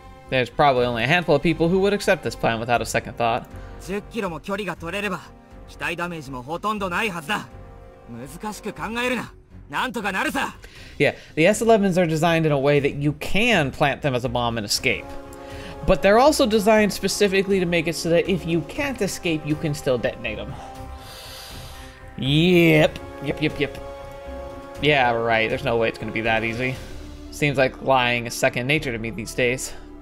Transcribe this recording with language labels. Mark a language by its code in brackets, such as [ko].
[en] There's probably only a handful of people who would accept this plan without a second thought. [ja] 10km距離が取れれば機体ダメージもほとんどないはずだ。難しく考えるな。なんとかなるさ。 [en] Yeah, the S-11s are designed in a way that you can plant them as a bomb and escape. But they're also designed specifically to make it so that if you can't escape, you can still detonate them. Yep. Yeah, right. There's no way it's going to be that easy. Seems like lying is second nature to me these days.